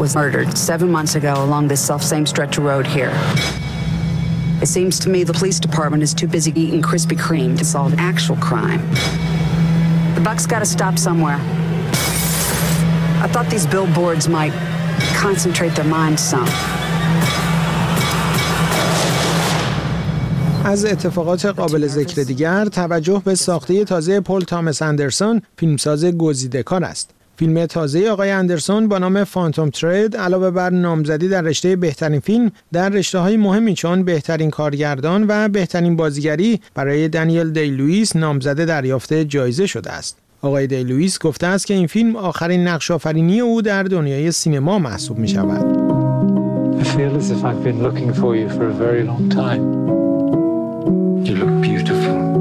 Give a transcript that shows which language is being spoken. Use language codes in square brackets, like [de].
[en] Murdered 7 months ago along this self-same stretch of road here. It seems to me the police department is too busy eating Krispy Kreme to solve actual crime. The buck's got to stop somewhere. I thought these billboards might concentrate their minds some. [fa] از اتفاقات قابل ذکر دیگر، توجه به ساخته تازه پل تامس اندرسون، فیلمساز گزیده‌کار است. فیلم تازه آقای اندرسون با نام فانتوم ترید علاوه بر نامزدی در رشته بهترین فیلم، در رشته‌های مهمی چون بهترین کارگردان و بهترین بازیگری برای دانیل دی‌لوئیس نامزده دریافت جایزه شده است. آقای دی‌لوئیس گفته است که این فیلم آخرین نقش آفرینی او در دنیای سینما محسوب می‌شود. [en] I feel as if I've been looking for you for a very long time. You look beautiful.